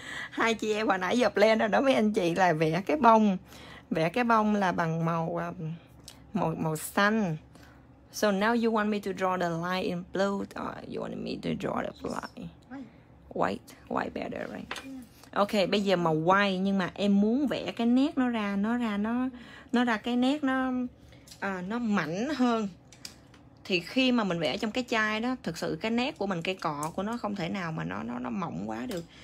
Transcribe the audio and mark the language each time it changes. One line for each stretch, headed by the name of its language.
Vietnamese: Hai chị em hồi nãy dập lên rồi đó mấy anh chị, là vẽ cái bông. Vẽ cái bông là bằng màu màu xanh.
English: So now you want me to draw the line in blue, or you want me to draw the line? White. White better, right? Yeah.
Vietnamese: Okay, bây giờ màu white, nhưng mà em muốn vẽ cái nét nó ra cái nét nó mảnh hơn. Thì khi mà mình vẽ trong cái chai đó, thực sự cái nét của mình, cây cọ của nó không thể nào mà nó mỏng quá được.